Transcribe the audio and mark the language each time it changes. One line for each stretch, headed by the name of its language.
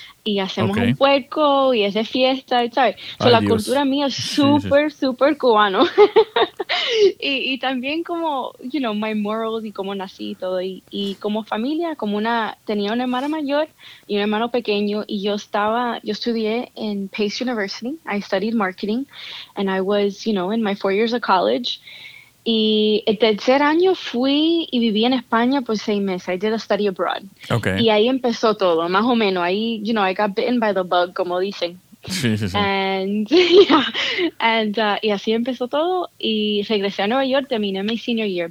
Spanish: y hacemos un puerco y es de fiesta, ¿sabes? Ay,
English: so,
Spanish: la cultura mía es súper, súper cubano. y también como,
English: you know, my morals
Spanish: y cómo nací y todo. Y como familia, como una, tenía una hermana mayor y un hermano pequeño. Y yo estudié en Pace University.
English: I studied marketing and I was, you know, in my 4 years of college. Y el tercer año fui y viví en España por 6 meses. I did a study abroad. Okay.
Spanish: Y ahí empezó todo, más o menos. Ahí,
English: you know, I got bitten by the bug,
Spanish: como dicen. Sí.
English: And, yeah. And,
Spanish: y así empezó todo. Y regresé a Nueva York, terminé mi senior year.